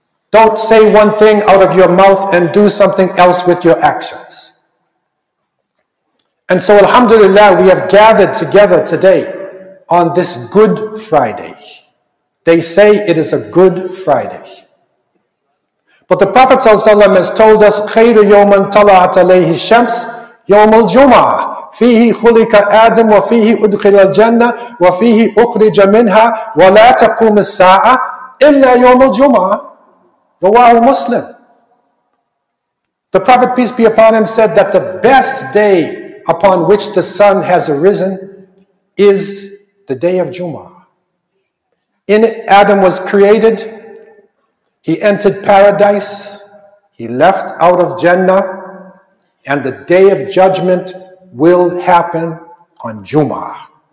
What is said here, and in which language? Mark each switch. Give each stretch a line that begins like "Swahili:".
English: Don't say one thing out of your mouth and do something else with your actions. And so alhamdulillah, we have gathered together today on this Good Friday. They say it is a Good Friday. But the Prophet ﷺ has told us,
Arabic: خَيْرُ يَوْمًا طَلَعَتْ عَلَيْهِ الشَّمْسِ يَوْمُ الْجُمْعَةِ فِيهِ خُلِقَ آدَمُ وَفِيهِ أُدْخِلَ الْجَنَّةِ وَفِيهِ أُخْرِجَ مِنْهَا وَلَا تَقُومِ السَّاعَةِ إِلَّا يَوْمُ الْجُمْعَةِ رواه مسلم.
English: The Prophet, peace be upon him, said that the best day upon which the sun has arisen is the day of Jum'ah. In it, Adam was created. He entered paradise, he left out of Jannah, and the day of judgment will happen on Jum'ah.